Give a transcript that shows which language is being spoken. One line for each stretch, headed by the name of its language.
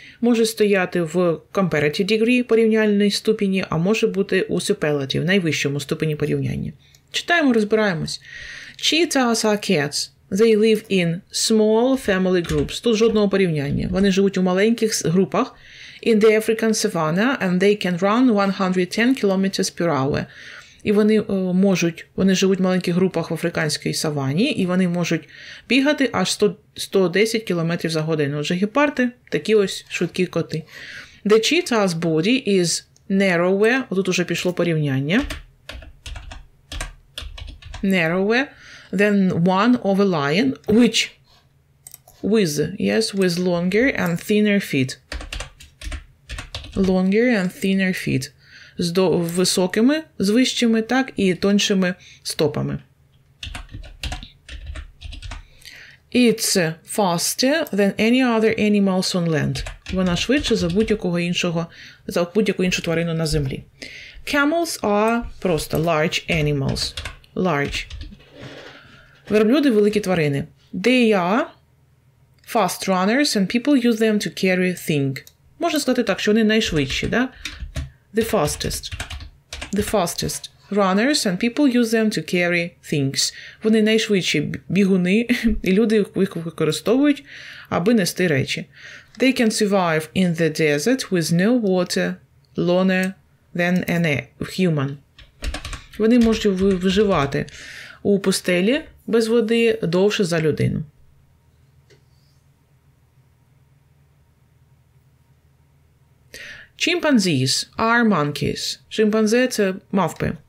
Ukrainian: Може стояти в comparative degree, порівняльній ступені, а може бути у superlative, найвищому ступені порівняння. Читаємо, розбираємось.
English: Cheetahs are cats. They live in small family groups.
Ukrainian: Тут жодного порівняння. Вони живуть у маленьких групах.
English: In the African savanna, and they can run 110 kilometers per hour.
Ukrainian: І вони вони живуть в маленьких групах в африканській савані, і вони можуть бігати аж 110 кілометрів за годину. Отже, гепарди – такі ось швидкі коти.
English: The cheetah's body is narrower.
Ukrainian: Отут уже пішло порівняння.
English: Narrower than one of a lion, which with longer and thinner feet. Longer and thinner feet.
Ukrainian: З високими, з вищими, так, і тоншими стопами.
English: It's faster than any other animals on land.
Ukrainian: Вона швидше за будь-якого іншого, за будь-яку іншу тварину на землі.
English: Camels are
Ukrainian: просто
English: large animals. Large.
Ukrainian: Верблюди – великі тварини.
English: They are fast runners and people use them to carry things.
Ukrainian: Можна сказати так, що вони найшвидші, да?
English: The fastest runners and people use them to carry things.
Ukrainian: Вони найшвидші бігуни, і люди їх використовують, аби нести речі.
English: They can survive in the desert with no water longer than a human.
Ukrainian: Вони можуть виживати у пустелі без води довше за людину.
English: Chimpanzees are monkeys.
Ukrainian: Шимпанзе – це мавпи.